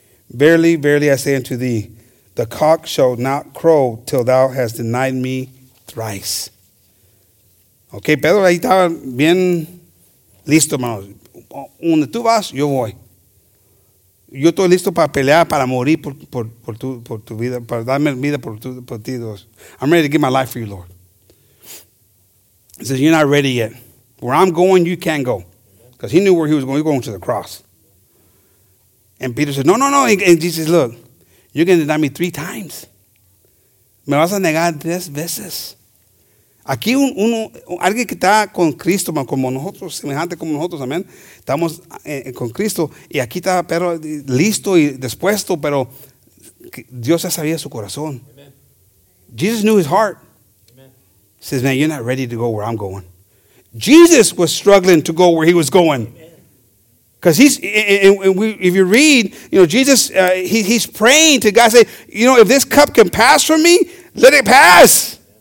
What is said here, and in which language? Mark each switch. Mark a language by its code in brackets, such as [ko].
[en] Verily, verily, I say unto thee, the cock shall not crow till thou hast denied me thrice. [es] Okay, Pedro, ahí estaba bien listo, hermano. Donde tú vas, yo voy. Yo estoy listo para pelear, para morir por tu vida, para darme vida por ti, Dios. [en] I'm ready to give my life for you, Lord. He says, you're not ready yet. Where I'm going, you can't go. Because he knew where he was going. He was going to the cross. And Peter said, no. And Jesus says, look, you're going to deny me three times. [es] Me vas a negar tres veces. Aquí uno, alguien que está con Cristo, man, como nosotros, semejante como nosotros, amén. Estamos con Cristo y aquí está Pedro listo y dispuesto, pero Dios ya sabía su corazón. [en] Amen. Jesus knew his heart. Amen. Says, man, you're not ready to go where I'm going. Jesus was struggling to go where he was going. Because he's, and we, if you read, you know, Jesus, he's praying to God, say, you know, if this cup can pass from me, let it pass.